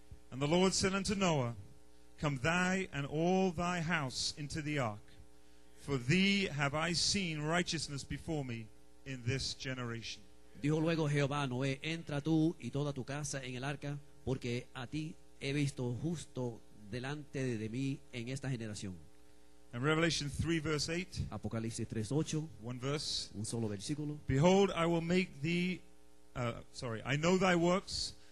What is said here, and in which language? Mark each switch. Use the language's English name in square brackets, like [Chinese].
[English] And the Lord said unto Noah, Come thy and all thy house into the ark, for thee have I seen righteousness before me in this generation. [Spanish] Dijo luego Jehová a Noé, Entra tú y toda tu casa en el arca, porque a ti he visto justo delante de mí en esta generación. [English] And Revelation 3 verse 8. [Spanish] Apocalipsis 3, 8. [English] One verse. [Spanish] Un solo versículo. [English] Behold, I will make thee I know thy works.